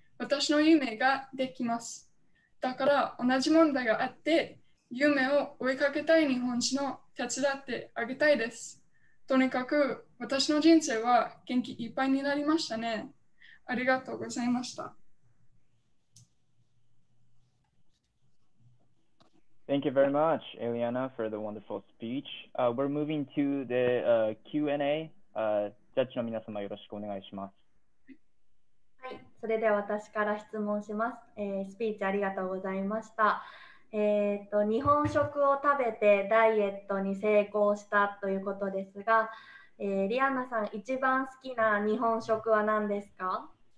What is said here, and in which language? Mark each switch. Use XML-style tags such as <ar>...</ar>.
<ja>私の夢ができます。だから同じ問題があって夢を追いかけたい日本人を手伝ってあげたいです。とにかく私の人生は元気いっぱいになりましたね。ありがとうございました。</ja> <en>Thank you very much, Eliana, for the wonderful speech. We're moving to the Q&A.</en> <ja>ジャッジの皆様よろしくお願いします。はい、それでは私から質問します、スピーチありがとうございました、日本食を食べてダイエットに成功したということですが、リアナさん一番好きな日本食は何ですか？</ja>